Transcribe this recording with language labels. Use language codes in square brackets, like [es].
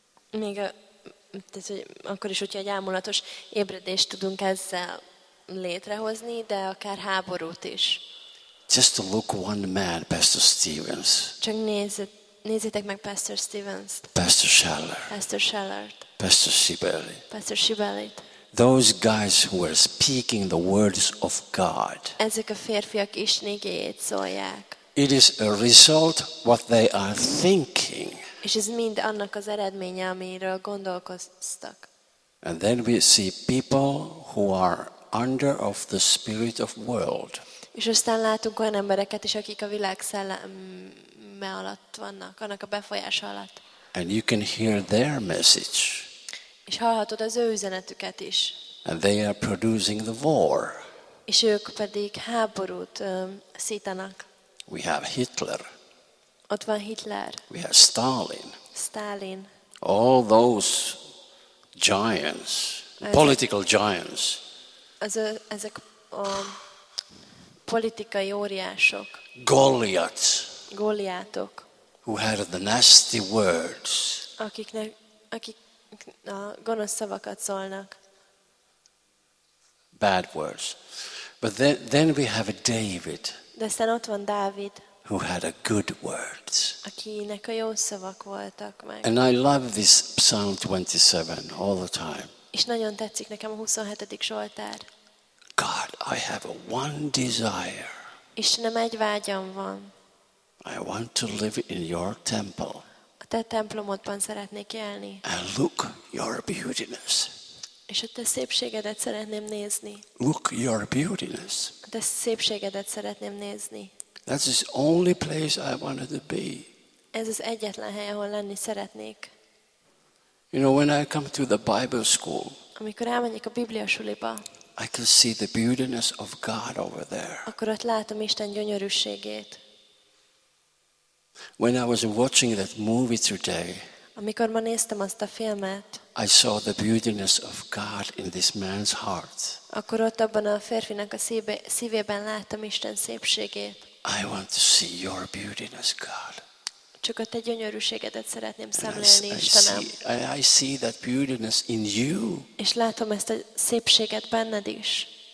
[hu] Még a, tehát, hogy akkor is, hogyha egy álmulatos ébredést tudunk ezzel létrehozni, de akár háborút is. [en] Just to look one man, Pastor Stevens. [hu] Csak nézzétek meg Pastor Stevens-t. [en] Pastor Scheller. [hu] Pastor Schellert. [en] Pastor Sibeli. [hu] Pastor Sibeli. [en] Those guys who were speaking the words of God. [hu] Ezek a férfiak Isten igéjét szólják. [en] It is a result what they are thinking. [hu] És ez mind annak az eredménye, amiről gondolkoztak. [en] And then we see people who are under of the spirit of world. [hu] És aztán látunk olyan embereket is, akik a világ szelleme alatt vannak, annak a befolyása alatt. [en] And you can hear their message. [hu] És hallhatod az ő üzenetüket is. [en] And they are producing the war. [hu] És ők pedig háborút szítanak. [en] We have Hitler. [hu] Ott van Hitler. [en] We have Stalin. [hu] Stalin. [en] All those giants, political giants. [hu] Ezek a politikai óriások. [en] Goliaths. [hu] Goliátok. [en] Who had the nasty words. [hu] Akik a gonosz szavakat szólnak. [en] Bad words. But then we have a David. [hu] De aztán ott van Dávid. [en] Who had a good words. [hu] Akinek a jó szavak voltak meg. [en] And I love this Psalm 27 all the time. [hu] És nagyon tetszik nekem a 27. Zsoltár. [en] God, I have a one desire. [hu] Istenem, egy vágyam van. [en] I want to live in your temple. [hu] A te templomodban szeretnék élni. [en] And look your beautiness. [hu] És a te szépségedet szeretném nézni. [en] Look your beautiness. [hu] A te szépségedet szeretném nézni. [en] That's the only place I wanted to be. [hu] Ez az egyetlen hely, ahol lenni szeretnék. [en] You know, when I come to the Bible school. [hu] Amikor elmegyek a bibliasuliba. [en] I can see the beautiness of God over there. [hu] Akkor ott látom Isten gyönyörűségét. [en] When I was watching that movie today, [hu] amikor ma néztem azt a filmet, [en] I saw the beautiness of God in this man's heart. [hu] Akkor ott abban a férfinak a szívében láttam Isten szépségét. [en] I want to see your beautiness, God. [hu] Csak a te gyönyörűségedet szeretném szemlélni, Istenem. [en] I see that beautiness in you. [hu] És látom ezt a szépséget benned is.